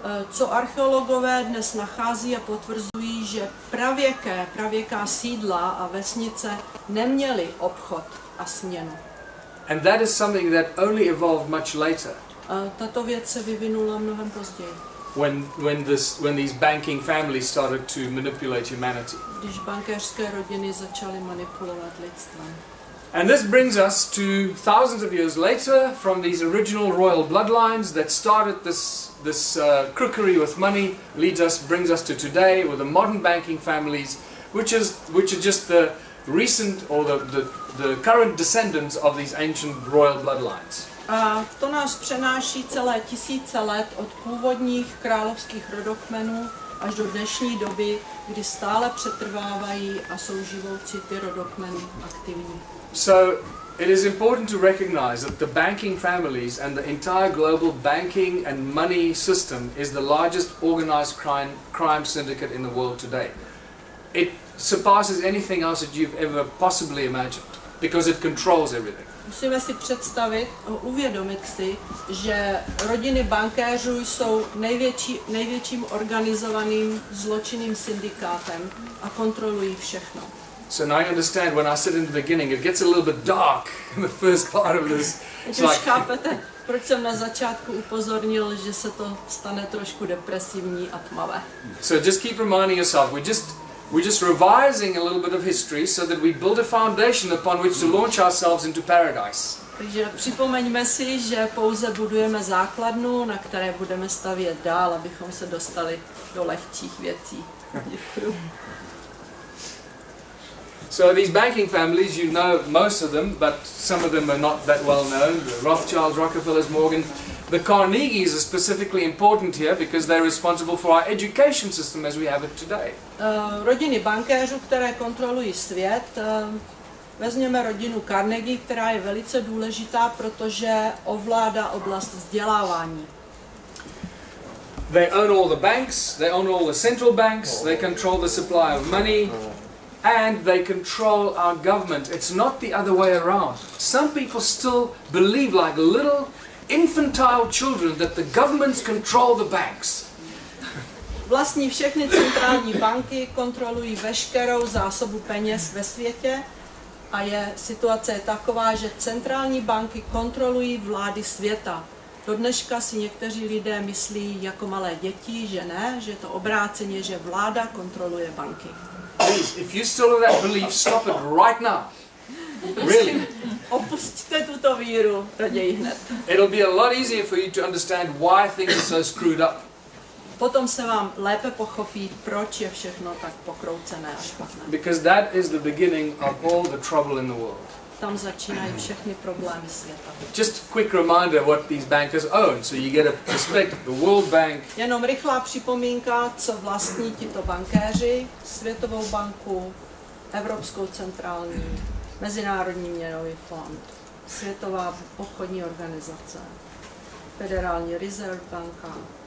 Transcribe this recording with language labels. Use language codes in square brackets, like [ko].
[cs] Co archeologové dnes nachází a potvrzují, že pravěká sídla a vesnice neměly obchod a směnu. [en] And that is something that only evolved much later. [cs] Tato věc se vyvinula mnohem později. [en] When these banking families started to manipulate humanity. [cs] Když bankéřské rodiny začaly manipulovat lidstvem. [en] And this brings us to thousands of years later from these original royal bloodlines that started this crookery with money brings us to today with the modern banking families which are just the recent or the current descendants of these ancient royal bloodlines. [cs] A to nás přenáší celé tisíce let od původních královských rodokmenů až do dnešní doby, kdy stále přetrvávají a jsou živoucí ty rodokmeny aktivní. [en] So it is important to recognize that the banking families and the entire global banking and money system is the largest organized crime syndicate in the world today. It surpasses anything else that you've ever possibly imagined because it controls everything. [cs] Musíme si představit, uvědomit si, že rodiny bankéřů jsou největším organizovaným zločinným syndikátem a kontrolují všechno. [en] So now you understand when I said in the beginning, it gets a little bit dark in the first part of this. [cs] Už chápete, proč jsem na začátku upozornil, že se to stane trošku depresivní a tmavé. [en] So just keep reminding yourself, we just We're just revising a little bit of history so that we build a foundation upon which to launch ourselves into paradise. [cs] Takže připomeňme si, že pouze budujeme základnu, na které budeme stavět dál, abychom se dostali do lehčích věcí. [en] So these banking families, you know most of them, but some of them are not that well known. The Rothschilds, Rockefellers, Morgan. The Carnegies are specifically important here because they're responsible for our education system as we have it today. [cs] Rodiny bankéřů, které kontrolují svět. Vezměme rodinu Carnegie, která je velice důležitá, protože ovládá oblast vzdělávání. [en] They own all the banks, they own all the central banks, they control the supply of money. And they control our government. It's not the other way around. Some people still believe like little infantile children that the governments control the banks. [cs] Vlastní všechny centrální banky kontrolují veškerou zásobu peněz ve světě a je situace je taková, že centrální banky kontrolují vlády světa. Do dneška si někteří lidé myslí jako malé děti, že ne, že to obráceně, že vláda kontroluje banky. [en] Please, if you still have that belief, stop it right now. Really. [cs] Opustíte tuto víru raději hned. [en] It'll be a lot easier for you to understand why things are so screwed up. [cs] Potom se vám lépe pochopí, proč je všechno tak pokroucené a špatné. [en] Because that is the beginning of all the trouble in the world. [cs] Tam začínají všechny problémy světa. [en] Just a quick reminder what these bankers own, so you get a perspective. The World Bank. [cs] Jenom rychlá připomínka, co vlastní tito bankéři, Světovou banku, Evropskou centrální, Mezinárodní měnový fond, Světová obchodní organizace, Federální rezerv banka.